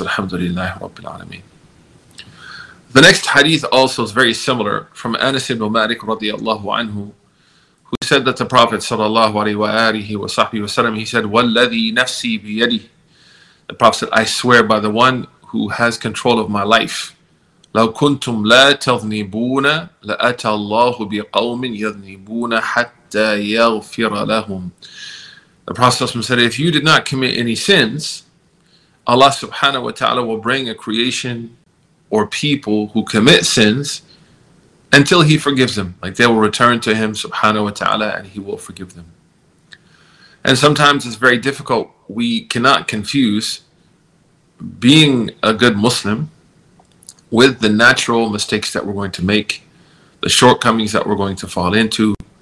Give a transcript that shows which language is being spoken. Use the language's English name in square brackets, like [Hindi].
[English] Alhamdulillah Rabbil Alameen. The next hadith also is very similar, from Anas ibn Malik radiallahu anhu, who said that the Prophet sallallahu alayhi wa sahbihi wasallam, he said, [Arabic] "Walladhi nafsi biyadi." [English] The Prophet said, "I swear by the one who has control of my life. [Arabic] لو كنتم لا تذنبون لأتى الله بقوم يذنبون حتى يغفر لهم." [English] The Prophet said, "If you did not commit any sins, Allah subhanahu wa ta'ala will bring a creation or people who commit sins until He forgives them." Like, they will return to Him subhanahu wa ta'ala and He will forgive them. And sometimes it's very difficult. We cannot confuse being a good Muslim with the natural mistakes that we're going to make, the shortcomings that we're going to fall into.